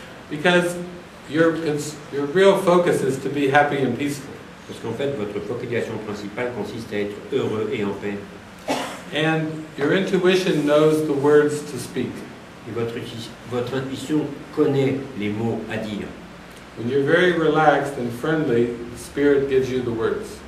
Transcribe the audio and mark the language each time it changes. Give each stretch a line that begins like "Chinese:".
English: Because your real focus is to be happy and peaceful.
French: Parce qu'en fait, votre focalisation principale consiste à être heureux et en paix.
English: And your intuition knows the words to speak.
French: Et votre intuition connaît les mots à dire.
English: When you're very relaxed and friendly, the spirit gives you the words.